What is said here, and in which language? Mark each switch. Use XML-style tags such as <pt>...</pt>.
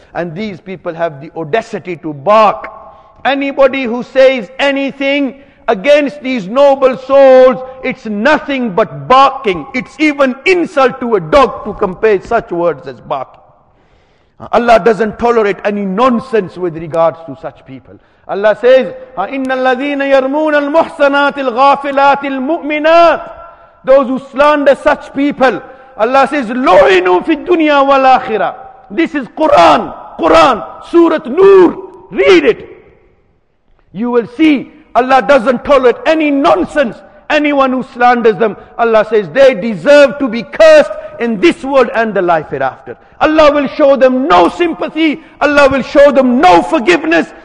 <en>And these people have the audacity to bark. Anybody who says anything against these noble souls, it's nothing but barking. It's even insult to a dog to compare such words as barking. Allah doesn't tolerate any nonsense with regards to such people. Allah says,</en> <ar>إِنَّ الَّذِينَ يَرْمُونَ الْمُحْسَنَاتِ الْغَافِلَاتِ الْمُؤْمِنَاتِ.</ar> <en>Those who slander such people, Allah says,</en> <ar>لُعِنُوا فِي الدُّنْيَا وَالْآخِرَةِ.</ar> <en>This is Quran, Quran, Surah Nur. Read it. You will see Allah doesn't tolerate any nonsense. Anyone who slanders them, Allah says, they deserve to be cursed in this world and the life hereafter. Allah will show them no sympathy. Allah will show them no forgiveness.</en>